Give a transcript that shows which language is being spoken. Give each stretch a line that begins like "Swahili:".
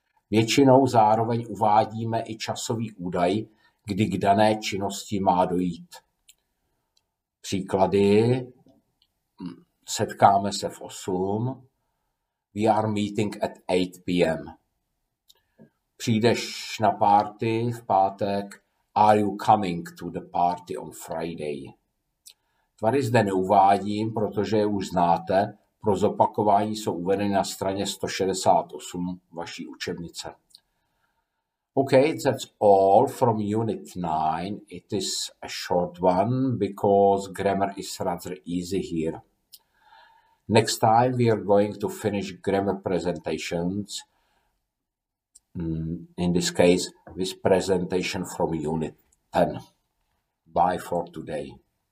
Czech: Většinou zároveň uvádíme i časový údaj, kdy k dané činnosti má dojít. Příklady. Setkáme se v 8.
English: We are meeting at 8 p.m.
Czech: Přijdeš na party v pátek?
English: Are you coming to the party on Friday?
Czech: Tvary zde neuvádím, protože je už znáte. Pro zopakování jsou uvedeny na straně 168 vaší učebnice.
English: OK, that's all from Unit 9. It is a short one because grammar is rather easy here. Next time we are going to finish grammar presentations. In this case, this presentation from Unit 10. Bye for today.